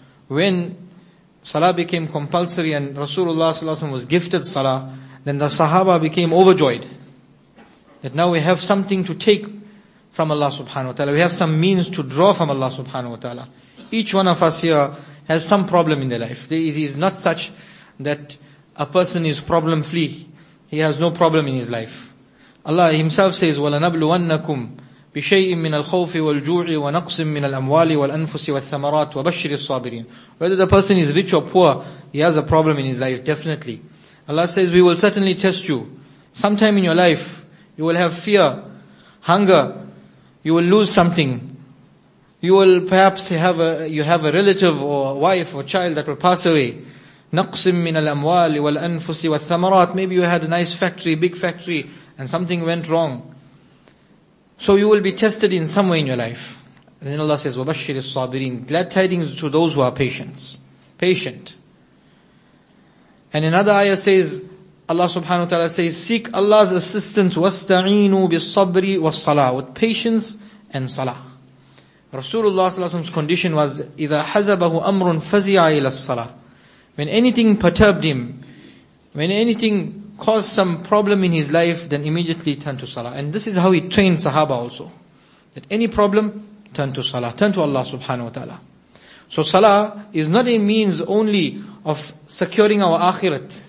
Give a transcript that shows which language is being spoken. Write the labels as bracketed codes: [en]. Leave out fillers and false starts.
[en] When salah became compulsory and Rasulullah sallallahu alayhi wa sallam was gifted salah, then the sahaba became overjoyed that now we have something to take from Allah subhanahu wa ta'ala. We have some means to draw from Allah subhanahu wa ta'ala. Each one of us here has some problem in their life. It is not such that a person is problem free. He has no problem in his life. Allah himself says, [ar] وَلَنَبْلُوَنَّكُمْ بِشَيْءٍ مِّنَ الْخَوْفِ وَالْجُوعِ وَنَقْصٍ مِّنَ الْأَمْوَالِ وَالْأَنفُسِ وَالثَّمَرَاتِ وَبَشِّرِ الصَّابِرِينَ. [en] Whether the person is rich or poor, he has a problem in his life, definitely. Allah says, we will certainly test you. Sometime in your life, you will have fear, hunger, you will lose something. You will perhaps have a relative or wife or child that will pass away. [ar] نَقْصٍ مِّنَ الْأَمْوَالِ وَالْأَنفُسِ وَالثَّمَرَاتِ. [en] Maybe you had a nice factory, big factory, and something went wrong. So you will be tested in some way in your life. And then Allah says, [ar] وَبَشِّرِ الصَّابِرِينَ. [en] Glad tidings to those who are patients. Patient. And another ayah says, Allah subhanahu wa ta'ala says, seek Allah's assistance, [ar] وَاسْتَعِينُوا بِالصَّبْرِ وَالصَّلَاةِ. [en] With patience and salah. Rasulullah's condition was, [ar] إِذَا حَزَبَهُ أَمْرٌ فَزِعَ إِلَى الصَّلَاةِ. [en] When anything perturbed him, when anything caused some problem in his life, then immediately turn to salah. And this is how he trained sahaba also. That any problem, turn to salah. Turn to Allah subhanahu wa ta'ala. So salah is not a means only of securing our akhirat.